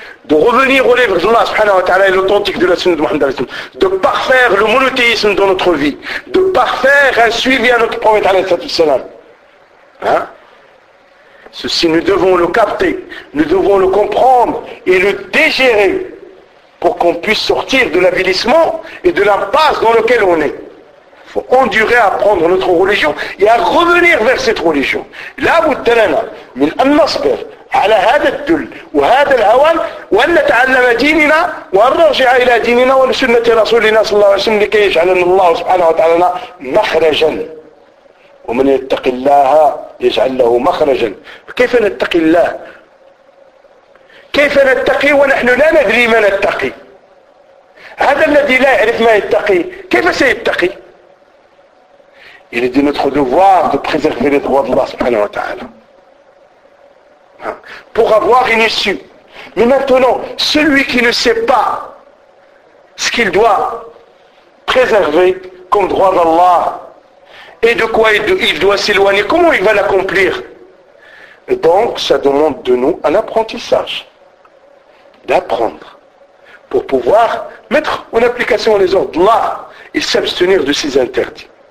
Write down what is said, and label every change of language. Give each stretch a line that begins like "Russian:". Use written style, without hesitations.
French: De revenir au livre d'Allah
Arabic: subhanahu wa ta'ala
French: et l'authentique de la sunna de Muhammad
Arabic: alayhi wa sallam,
French: de parfaire le monothéisme dans notre vie, de parfaire un suivi à notre prophète alayhi wa sallam. Hein? Ceci, nous devons le capter, nous devons le comprendre et le dégérer pour qu'on puisse sortir de l'avilissement et de l'impasse dans lequel on est. Il faut endurer à prendre notre religion et à revenir vers cette religion.
Arabic: La buddalana min an nasbir على هذا الدل وهذا الهوان وأن نتعلم ديننا وأن نرجع إلى ديننا ولسنة رسولنا صلى الله عليه وسلم لكي يجعلنا الله سبحانه وتعالى مخرجا ومن يتق الله يجعل له مخرجا. كيف نتقي الله؟ كيف نتقي ونحن لا ندري ما نتقي؟ هذا الذي لا يعرف ما يتقي كيف سيتقي؟
French: Il est de notre devoir de préserver les droits de
Arabic: الله سبحانه وتعالى
French: pour avoir une issue. Mais maintenant, celui qui ne sait pas ce qu'il doit préserver comme droit d'Allah et de quoi il doit s'éloigner, comment il va l'accomplir? Donc, ça demande de nous un apprentissage, d'apprendre pour pouvoir mettre en application les ordres d'Allah et s'abstenir de ses interdits.